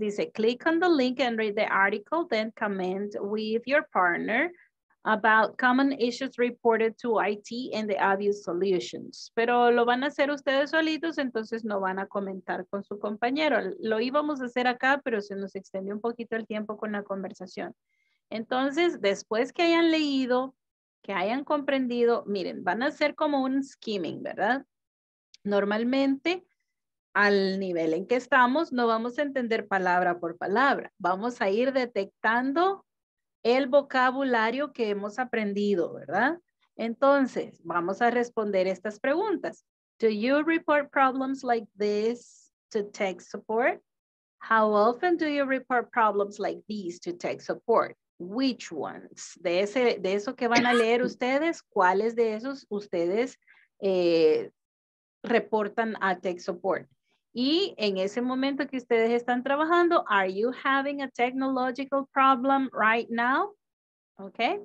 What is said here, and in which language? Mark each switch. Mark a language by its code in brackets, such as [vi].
[en] Dice, click on the link and read the article, then comment with your partner about common issues reported to IT and the obvious solutions. [es] Pero lo van a hacer ustedes solitos, entonces no van a comentar con su compañero. Lo íbamos a hacer acá, pero se nos extendió un poquito el tiempo con la conversación. Entonces, después que hayan leído, que hayan comprendido, miren, van a hacer como un skimming, ¿verdad? Normalmente, al nivel en que estamos, no vamos a entender palabra por palabra. Vamos a ir detectando el vocabulario que hemos aprendido, ¿verdad? Entonces, vamos a responder estas preguntas. [en] Do you report problems like this to tech support? How often do you report problems like these to tech support? Which ones? [es] De eso que van a leer ustedes, ¿cuáles de esos ustedes reportan a tech support? Y en ese momento que ustedes están trabajando, [en] are you having a technological problem right now? Ok.